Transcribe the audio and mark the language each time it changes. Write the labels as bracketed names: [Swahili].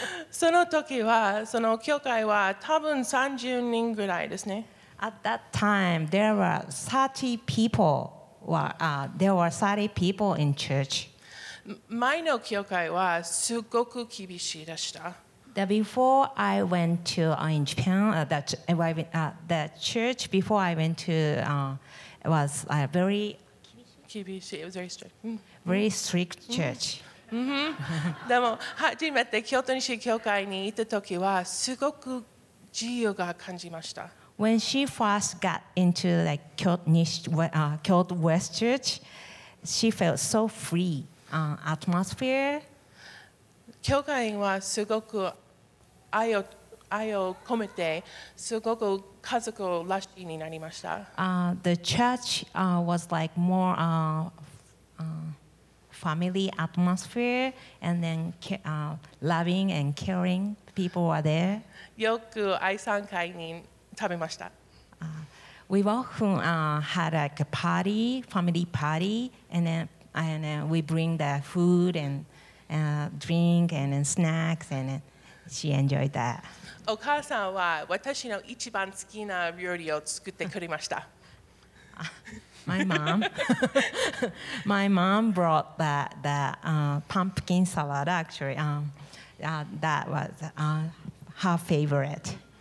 [Japanese] その時はその教会は多分30人ぐらいですね。 [English] At that time, there were 30 people there were 30 people in church. [Japanese] 前の教会はすごく厳しいでした。 [English] The before I went to in Japan, the church before I went to was a very [Japanese] 厳しい。 [English] It was very strict. Very strict church. [Japanese] でも初めて京都西教会に行った時はすごく自由が感じました。 [English] When she first got into like Kyoto West Church, she felt so free. Atmosphere. [Japanese] 教会員はすごく愛を込めて、すごく家族らしいになりました。 [English] The church was like more family atmosphere, and then loving and caring people were there. [Japanese] よく愛さん会に食べました。 [English] We often had like a party, family party, and then we bring the food and drink and then snacks, and then she enjoyed that. [Japanese] お母さんは私の一番好きな料理を作ってくれました。 [English] My mom brought the pumpkin salad, actually. That was her favorite.